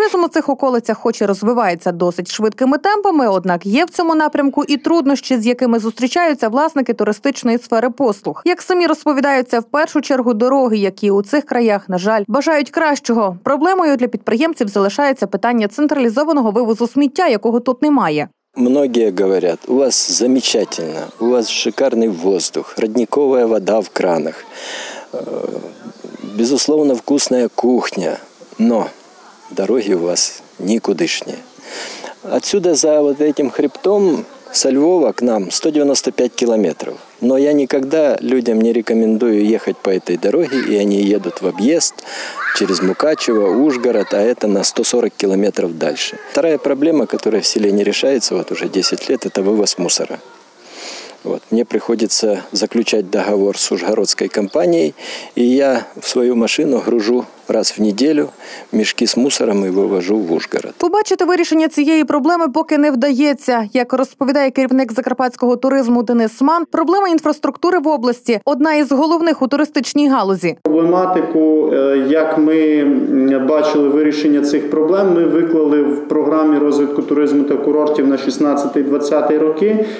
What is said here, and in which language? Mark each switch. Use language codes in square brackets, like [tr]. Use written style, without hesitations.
[uk] Туризм у цих околицях хоч і розвивається досить швидкими темпами, однак є в цьому напрямку і труднощі, з якими зустрічаються власники туристичної сфери послуг. Як самі розповідаються, в першу чергу дороги, які у цих краях, на жаль, бажають кращого. Проблемою для підприємців залишається питання централізованого вивозу сміття, якого тут немає. [ru] Многие говорят, у вас замечательно, у вас шикарный воздух, родниковая вода в кранах, безусловно, вкусная кухня, но дороги у вас никудышние. Отсюда за вот этим хребтом со Львова к нам 195 километров, но я никогда людям не рекомендую ехать по этой дороге, и они едут в объезд через Мукачево, Ужгород, а это на 140 километров дальше. Вторая проблема, которая в селе не решается вот уже 10 лет, это вывоз мусора. Вот. Мне приходится заключать договор с ужгородской компанией, и я в свою машину гружу [uk] раз в неділю мішки з мусором і вивожу в Ужгород. Побачити вирішення цієї проблеми поки не вдається. Як розповідає керівник закарпатського туризму Денис Ман, проблема інфраструктури в області – одна із головних у туристичній галузі. Проблематику, як ми бачили вирішення цих проблем, ми виклали в програмі розвитку туризму та курортів на 16-20 роки.